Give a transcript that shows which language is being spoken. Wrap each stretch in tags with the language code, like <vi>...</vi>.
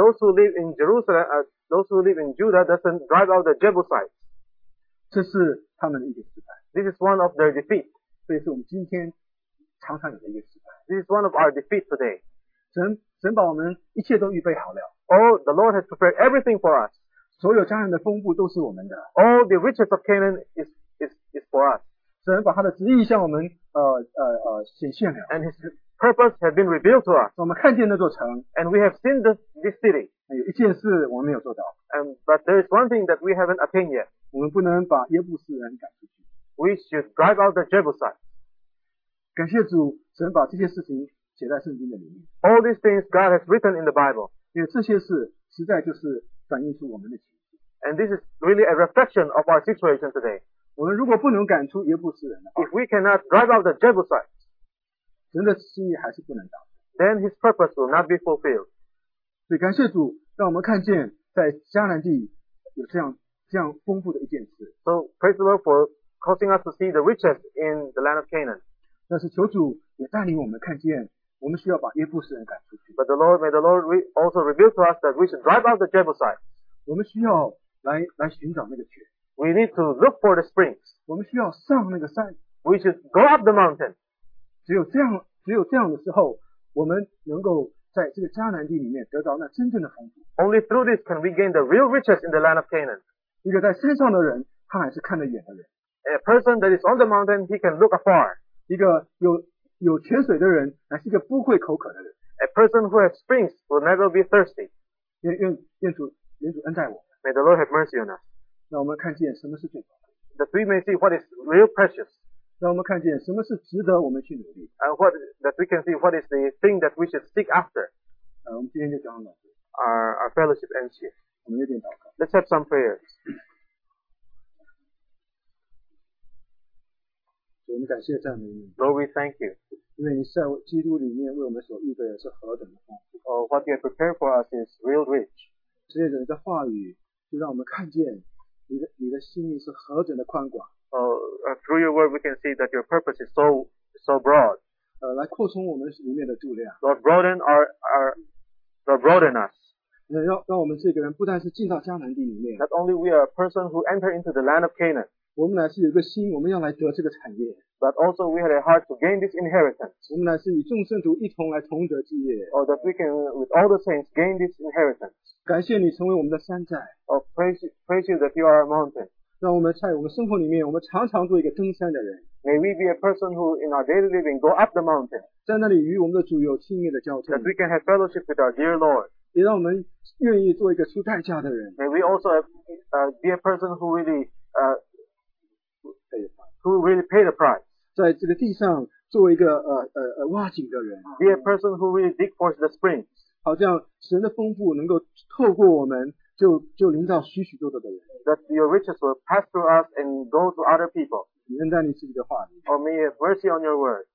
<en>Those who live in Judah doesn't drive out the Jebusites.</en> <zh>这是他们的一个失败。</zh> <en>This is one of their defeat.</en> <zh>这也是我们今天常常有的一个失败。</zh> <en>This is one of our defeat today.</en> <zh>神把我们一切都预备好了。</zh> <en>Oh, the Lord has prepared everything for us.</en> <zh>所有迦南的丰富都是我们的。</zh> <en>All the riches of Canaan is for us.</en> <zh>神把他的旨意向我们显现了。</zh> <en>And his purpose has been revealed to us.</en> <zh>我们看见那座城。</zh> <en>And we have seen this city.</en> <zh>有一件事我们没有做到。</zh> <en>But there is one thing that we haven't attained yet.</en> <zh>我们不能把耶布斯人赶出去。</zh> <en>We should drive out the Jebusites.</en> <zh>感谢主，神把这些事情写在圣经的里面。</zh> <en>All these things God has written in the Bible.</en> <zh>因为这些事实在就是反映出我们的情况。</zh> <en>And this is really a reflection of our situation today.</en> <zh>我们如果不能赶出耶布斯人的话，</zh> <en>If we cannot drive out the Jebusites,</en> <zh>神的心意还是不能达到。</zh> <en>Then his purpose will not be fulfilled.</en> <zh>所以感谢主，让我们看见在迦南地有这样丰富的一件事。</zh> <en>So praise the Lord for causing us to see the riches in the land of Canaan.</en> <zh>但是求主也带领我们看见，我们需要把耶布斯人赶出去。</zh> <en>But the Lord, may the Lord also reveal to us that we should drive out the Jebusites.</en> <zh>我们需要来寻找那个泉。</zh> <en>We need to look for the springs.</en> <zh>我们需要上那个山。</zh> <en>We should go up the mountain.</en> <zh>只有这样的时候，我们能够在这个迦南地里面得到那真正的丰富。</zh> <en>Only through this can we gain the real riches in the land of Canaan.</en> <zh>一个在山上的人，他还是看得远的人。</zh> <en>A person that is on the mountain, he can look afar.</en> <zh>一个有泉水的人，乃是一个不会口渴的人。</zh> <en>A person who has springs will never be thirsty.</en> <zh>愿主恩待我。</zh> <en>May the Lord have mercy on us.</en> <zh>让我们看见什么是最宝贵。</zh> <en>That we may see what is real precious.</en> <zh>让我们看见什么是值得我们去努力。</zh> <en>And what that we can see, what is the thing that we should seek after?</en> <zh>我们今天就讲到这。</zh> <en>Our fellowship ends here.</en> <zh>我们有点祷告。</zh> <en>Let's have some prayers.</en> <zh>我们感谢赞美你。</zh> <en>Lord, we thank you.</en> <zh>因为你在基督里面为我们所预备的是何等的丰富。</zh> <en>What you have prepared for us is real rich.</en> <zh>这些人的话语就让我们看见你的心意是何等的宽广。</zh> <en>Through your word, we can see that your purpose is so broad.</en> <zh>来扩充我们里面的度量。</zh> <en>Lord, broaden Lord, broaden us.</en> <zh>让我们这个人不但是进到迦南地里面。</zh> <en>Not only we are a person who enter into the land of Canaan.</en> <zh>我们乃是有个心，我们要来得这个产业。</zh> <en>But also we had a heart to gain this inheritance.</en> <zh>我们乃是与众圣徒一同来同得基业。</zh> <en>Or that we can with all the saints gain this inheritance.</en> <zh>感谢你成为我们的山寨。</zh> <en>Or praise you that you are a mountain.</en> <zh>让我们在我们生活里面，我们常常做一个登山的人。</zh> <en>May we be a person who, in our daily living, go up the mountain.</en> <zh>在那里与我们的主有亲密的交通。</zh> <en>That we can have fellowship with our dear Lord.</en> <zh>也让我们愿意做一个出代价的人。</zh> <en>May we also be a person who really pay the price.</en> <zh>在这个地上做一个挖井的人。</zh> <en>Be a person who really dig for the springs.</en> <zh>好像神的丰富能够透过我们。就临到许许多多的人。</zh> <en>That your riches will pass through us and go to other people.</en> <zh>恩待你自己的话语。</zh> <en>Or may you have mercy on your word.</en>